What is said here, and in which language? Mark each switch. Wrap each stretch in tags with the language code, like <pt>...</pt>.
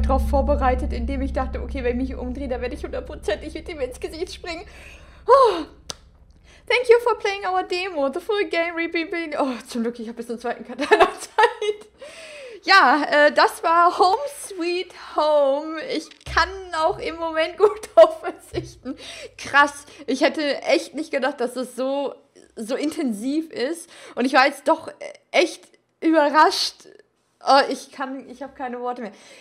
<de>Vorbereitet, indem ich dachte, okay, wenn ich mich umdrehe, dann werde ich hundertprozentig mit ihm ins Gesicht springen. Oh.</de> <en>Thank you for playing our demo, the full game rebuilding.</en> <de>Oh, zum Glück, ich habe bis zum zweiten Katana Zeit. Ja, das war Home Sweet Home. Ich kann auch im Moment gut drauf verzichten. Krass, ich hätte echt nicht gedacht, dass es so intensiv ist. Und ich war jetzt doch echt überrascht. Oh, ich habe keine Worte mehr.</de>